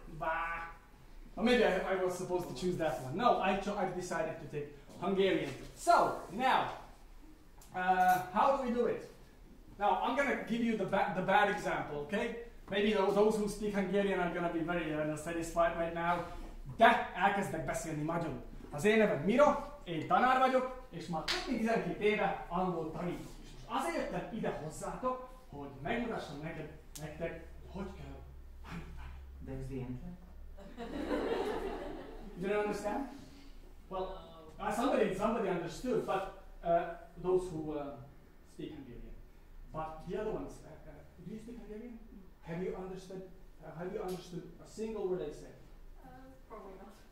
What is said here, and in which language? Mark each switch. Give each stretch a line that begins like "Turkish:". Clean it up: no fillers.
English: Bah! Or maybe I was supposed to choose that one. No, I've decided to take Hungarian. So, now, how do we do it? Now, I'm gonna give you the bad example, okay? Maybe those who speak Hungarian are gonna be very satisfied right now.
Hungarian: De elkezdek beszélni magyarul. Az én nevem Miro, én tanár vagyok, és már 12 éve angol tanítok. És most azért jöttem ide hozzátok, hogy megmutassam neked, nektek, hogy kell tanítani.
English: That's the answer. You don't understand? Well, somebody understood, but those who speak Hungarian. But the other ones, do you speak Hungarian? Have you understood a single word I said? Probably not.